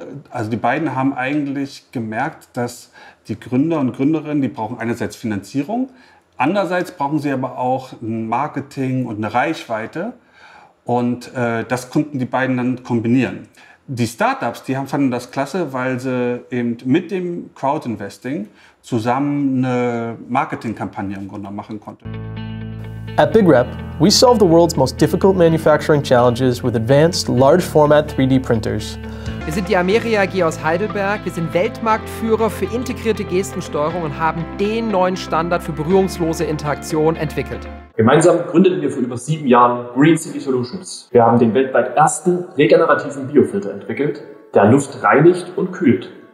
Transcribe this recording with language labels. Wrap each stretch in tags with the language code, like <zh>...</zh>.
<de>Also die beiden haben eigentlich gemerkt, dass die Gründer und Gründerinnen, die brauchen einerseits Finanzierung, andererseits brauchen sie aber auch ein Marketing und eine Reichweite. Und das konnten die beiden dann kombinieren. Die Startups, die fanden das klasse, weil sie eben mit dem Crowdinvesting zusammen eine Marketingkampagne im Grunde machen konnten.</de> <en>At Big Rep, we solve the world's most difficult manufacturing challenges with advanced large format 3D printers.</en> <de>Wir sind die Ameria AG aus Heidelberg. Wir sind Weltmarktführer für integrierte Gestensteuerung und haben den neuen Standard für berührungslose Interaktion entwickelt. Gemeinsam gründeten wir vor über 7 Jahren Green City Solutions. Wir haben den weltweit ersten regenerativen Biofilter entwickelt, der Luft reinigt und kühlt.</de>